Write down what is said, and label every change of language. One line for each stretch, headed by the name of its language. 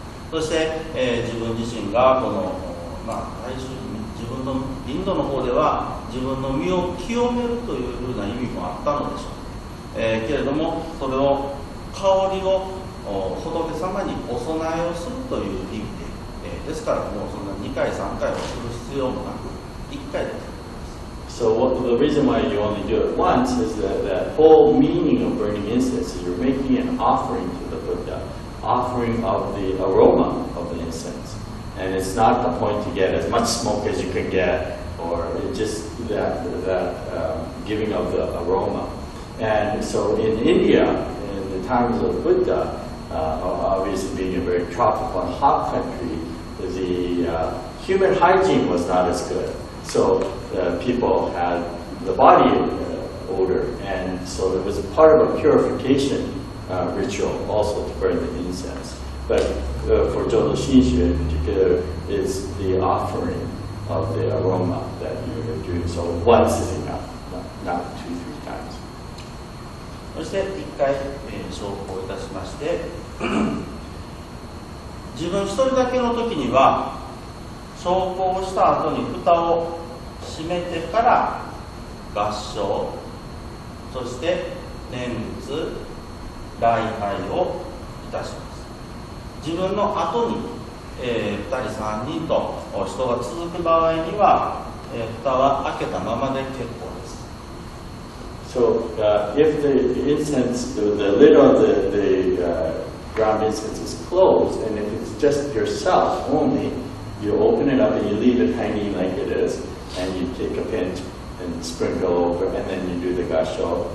Japanese: そして、自分自身がこのまあ、大衆に自分のインドの方では自分の身を清めるというふうな意味もあったのでしょう、けれどもそれを香りを仏様にお供えをするという意味で、ですからもうそんな2回3回をする必要もなく1回で。
English: So what, the reason why you only do it once is that the whole meaning of burning incense is you're making an offering to the Buddha, offering of the aroma of the incense. And it's not the point to get as much smoke as you can get, or just that giving of the aroma. And so in India, in the times of Buddha, obviously being a very tropical and hot country, the human hygiene was not as good. So the people had the body odor, and so it was a part of a purification ritual also to burn the incense. But for Jodo Shinshu in particular, is the offering of the aroma that you're doing. So once is enough, not two, three times.
Japanese: そして一回、消耗いたしまして、自分一人だけの時には、消耗した後に蓋を閉めてから合掌、そして念仏、礼拝をいたします。自分の後に、2人3人と人が続く場合には、蓋は開けたままで結構です。
English: So if the incense, the lid of the ground incense is closed, and if it's just yourself only, you open it up and you leave it hanging like it is, and you take a pinch and sprinkle over, and then you do the gusho.